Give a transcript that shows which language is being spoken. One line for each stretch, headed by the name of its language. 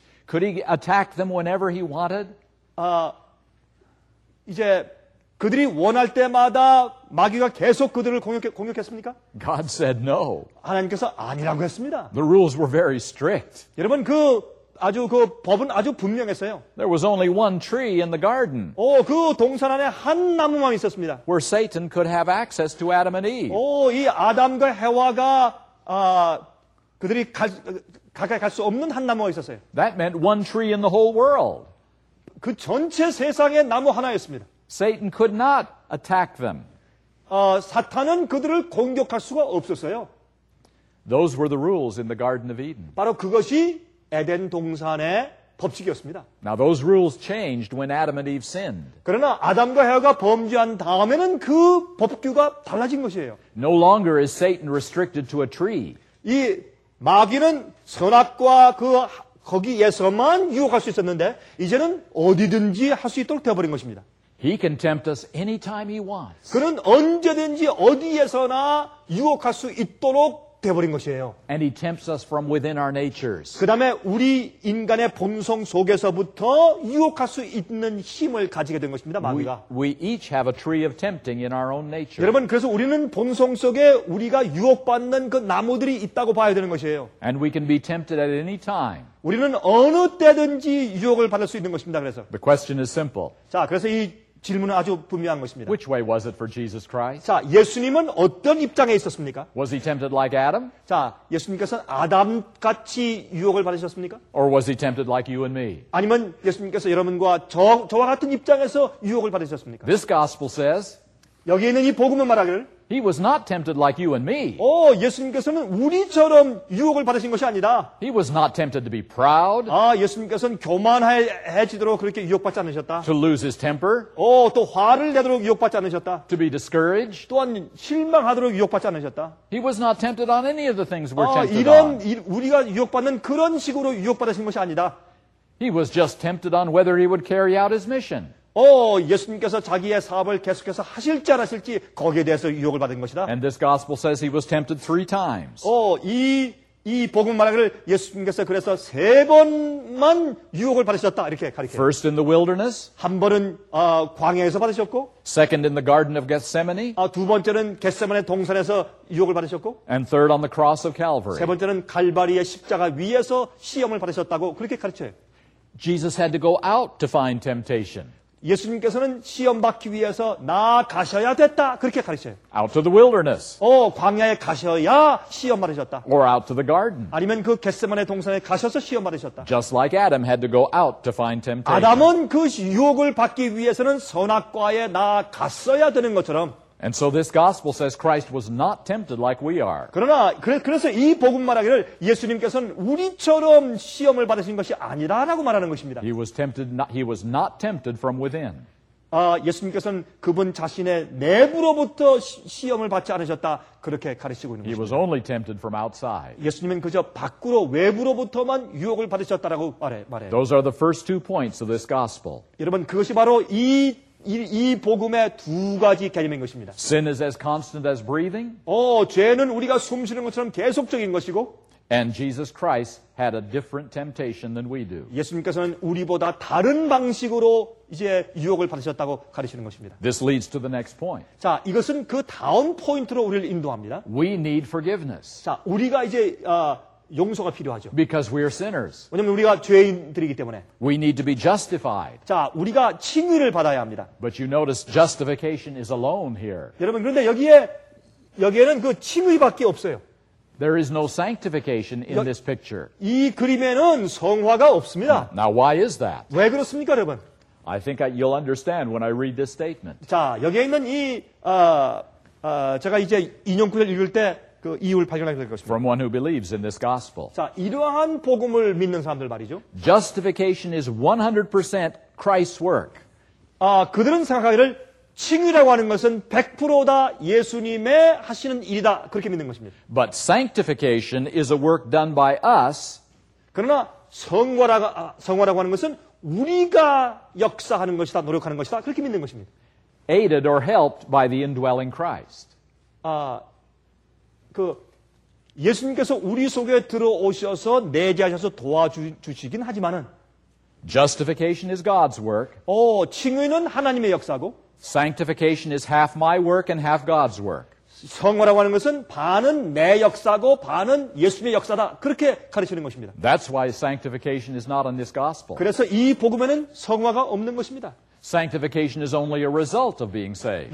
English: Could he attack them whenever he wanted?
Korean: 이제 그들이 원할 때마다 마귀가 계속 그들을 공격했습니까?
English: God said no.
Korean: 하나님께서 아니라고 했습니다.
English: The rules were very strict.
Korean: 여러분 그 아주 그 법은 아주 분명했어요.
English: There was only one tree in the garden.
Korean: 그 동산 안에 한 나무만 있었습니다.
English: Where Satan could have access to Adam and Eve.
Korean: 이 아담과 해와가 그들이 가까이 갈 수 없는 한 나무가 있었어요.
English: That meant one tree in the whole world.
Korean: 그 전체 세상에 나무 하나였습니다.
English: Satan could not attack them.
Korean: 사탄은 그들을 공격할 수가 없었어요.
English: Those were the rules in the Garden of Eden.
Korean: 바로 그것이 에덴 동산의 법칙이었습니다.
English: Now those rules changed when Adam and Eve sinned.
Korean: 그러나 아담과 해와가 범죄한 다음에는 그 법규가 달라진 것이에요.
English: No longer is Satan restricted to a tree.
Korean: 이 마귀는 선악과 그 거기에서만 유혹할 수 있었는데 이제는 어디든지 할 수 있도록 되어 버린 것입니다.
English: He can tempt us anytime he wants.
Korean: 그는 언제든지 어디에서나 유혹할 수 있도록 되어버린 것이에요.
English: And he tempts us from within our natures.
Korean: 그 다음에 우리 인간의 본성 속에서부터 유혹할 수 있는 힘을 가지게 된 것입니다, 마귀가.
English: We each have a tree of tempting in our own nature.
Korean: 여러분, 그래서 우리는 본성 속에 우리가 유혹받는 그 나무들이 있다고 봐야 되는 것이에요.
English: And we can be tempted at any time.
Korean: 우리는 어느 때든지 유혹을 받을 수 있는 것입니다, 그래서.
English: The question is simple.
Korean: 자, 그래서 이 질문은 아주 분명한 것입니다.
English: Which way was it for Jesus Christ?
Korean: 자, 예수님은 어떤 입장에 있었습니까?
English: Was he tempted like Adam?
Korean: 자, 예수님께서는 아담같이 유혹을 받으셨습니까?
English: Or was he tempted like you and me?
Korean: 아니면 예수님께서 여러분과 저와 같은 입장에서 유혹을 받으셨습니까?
English: This gospel says
Korean: 여기 있는 이 복음은 말하기를
English: He was not tempted like you and me.
Korean: 예수님께서는 우리처럼 유혹을 받으신 것이 아니다.
English: He was not tempted to be proud.
Korean: 예수님께서는 교만해지도록 그렇게 유혹받지 않으셨다.
English: To lose his temper.
Korean: 또 화를 내도록 유혹받지 않으셨다.
English: To be discouraged.
Korean: 또한 실망하도록 유혹받지 않으셨다.
English: He was not tempted on any of the things we're tempted
Korean: 이런,
English: on.
Korean: 이런 우리가 유혹받는 그런 식으로 유혹받으신 것이 아니다.
English: He was just tempted on whether he would carry out his mission.
Korean: 예수님께서 자기의 사업을 계속해서 하실지 안 하실지 거기에 대해서 유혹을 받은 것이다.
English: And this gospel says he was tempted three times.
Korean: 이 복음 말하기를 예수님께서 그래서 세 번만 유혹을 받으셨다 이렇게 가리켜.
English: First in the wilderness.
Korean: 한 번은 광야에서 받으셨고.
English: Second in the Garden of Gethsemane.
Korean: 두 번째는 겟세마네 동산에서 유혹을 받으셨고.
English: And third on the cross of Calvary.
Korean: 세 번째는 갈바리의 십자가 위에서 시험을 받으셨다고 그렇게 가르쳐요.
English: Jesus had to go out to find temptation.
Korean: 예수님께서는 시험 받기 위해서 나아가셔야 됐다. 그렇게 가르쳐요.
English: Out to the wilderness.
Korean: 광야에 가셔야 시험 받으셨다.
English: Or out to the garden.
Korean: 아니면 그 겟세마네 동산에 가셔서 시험 받으셨다.
English: Just like Adam had to go out to find temptation.
Korean: 아담은 그 유혹을 받기 위해서는 선악과에 나아갔어야 되는 것처럼.
English: And so this gospel says Christ was not tempted like we are.
Korean: 그러나 그래서 이 복음 말하기를 예수님께서는 우리처럼 시험을 받으신 것이 아니다라고 말하는 것입니다.
English: He was not tempted from within.
Korean: 예수님께서는 그분 자신의 내부로부터 시험을 받지 않으셨다. 그렇게 가르치고 있는 것입니다.
English: He was only tempted from outside.
Korean: 예수님은 그저 밖으로 외부로부터만 유혹을 받으셨다라고 말해요.
English: Those are the first two points of this gospel.
Korean: 여러분 그것이 바로 이 복음의 두 가지 개념인 것입니다.
English: Sin is as constant as breathing.
Korean: 죄는 우리가 숨 쉬는 것처럼 계속적인 것이고.
English: And Jesus Christ had a different temptation than we do.
Korean: 예수님께서는 우리보다 다른 방식으로 이제 유혹을 받으셨다고 가르치는 것입니다.
English: This leads to the next point.
Korean: 자, 이것은 그 다음 포인트로 우리를 인도합니다.
English: We need forgiveness.
Korean: 자, 우리가 이제 용서가 필요하죠.
English: Because we are sinners.
Korean: 왜냐하면 우리가 죄인들이기 때문에.
English: We need to be justified.
Korean: 자, 우리가 칭의를 받아야 합니다.
English: But you notice justification is alone here.
Korean: 여러분 그런데 여기에는 그 칭의밖에 없어요.
English: There is no sanctification in this picture.
Korean: 이 그림에는 성화가 없습니다.
English: Now why is that?
Korean: 왜 그렇습니까, 여러분?
English: I think you'll understand when I read this statement.
Korean: 자, 여기 있는 이 제가 이제 인용구절 읽을 때. 그 이유를 발견하게 될 것입니다.
English: From one who believes in this gospel.
Korean: 자, 이러한 복음을 믿는 사람들 말이죠.
English: Justification is 100% Christ's work.
Korean: 그들은 생각하기를 칭의라고 하는 것은 100% 다 예수님의 하시는 일이다. 그렇게 믿는 것입니다.
English: But sanctification is a work done by us.
Korean: 그러나 성화라고 하는 것은 우리가 역사하는 것이다. 노력하는 것이다. 그렇게 믿는 것입니다.
English: Aided or helped by the indwelling Christ.
Korean: 그 예수님께서 우리 속에 들어오셔서 내재하셔서 도와주시긴 하지만은
English: justification is God's work.
Korean: 칭의는 하나님의 역사고
English: sanctification is half my work and half God's work.
Korean: 성화라고 하는 것은 반은 내 역사고 반은 예수님의 역사다. 그렇게 가르치는 것입니다.
English: That's why sanctification is not in this gospel.
Korean: 그래서 이 복음에는 성화가 없는 것입니다.
English: Sanctification is only a result of being saved.